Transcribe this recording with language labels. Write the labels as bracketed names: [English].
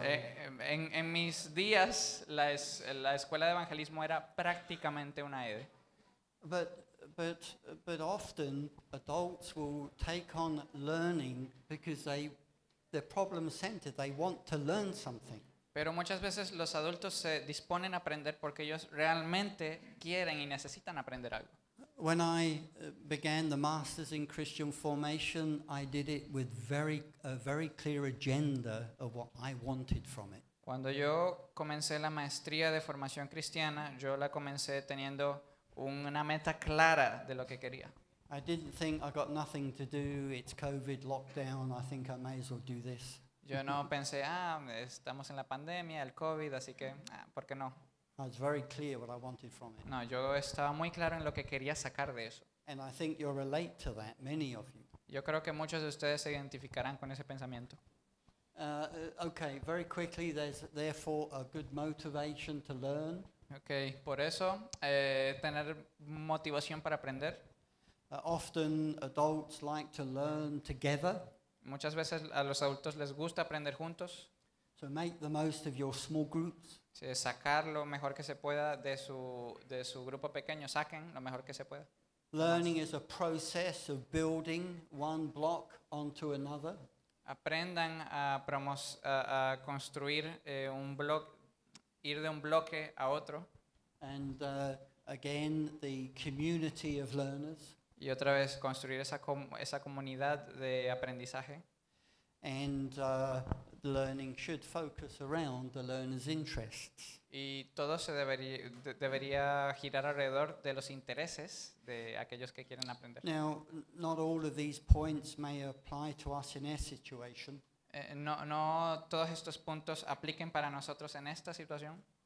[Spanish] En mis días, la escuela de evangelismo era prácticamente una ED. [English] But often adults will take on learning because they're problem centered. They want to learn something. [Spanish] Pero muchas veces los adultos se disponen a aprender porque ellos realmente quieren y necesitan aprender algo. [English] When I began the Masters in Christian Formation, I did it with a very clear agenda of what I wanted from it. [Spanish] Cuando yo comencé la maestría de formación cristiana, yo la comencé teniendo una meta clara de lo que quería. [English] I didn't think I got nothing to do, it's COVID lockdown, I think I may as well do this. [Spanish] Yo no pensé, estamos en la pandemia, el COVID, así que, ¿por qué no? [English] I was very clear what I wanted from it. [Spanish] No, yo estaba muy claro en lo que quería sacar de eso. [English] And I think you'll relate to that, many of you. [Spanish] Yo creo que muchos de ustedes se identificarán con ese pensamiento. [English] Okay, very quickly, there's therefore a good motivation to learn. [Spanish] Okay, por eso, tener motivación para aprender. [English] Often adults like to learn together. [Spanish] Muchas veces a los adultos les gusta aprender juntos. [English] So make the most of your small groups. [Spanish] Sí, sacar lo mejor que se pueda de su grupo pequeño, saquen lo mejor que se pueda. [English] Learning is a process of building one block onto another. [Spanish] Aprendan a construir un bloque, ir de un bloque a otro. [English] And again, the community of learners. [Spanish] Y otra vez construir esa comunidad de aprendizaje. [English] And learning should focus around the learner's interests. [Spanish] Y todo se debería girar alrededor de los intereses de aquellos que quieren aprender. [English] Now, not all of these points may apply to us in our situation. [Spanish] No todos estos puntos apliquen para nosotros en esta situación.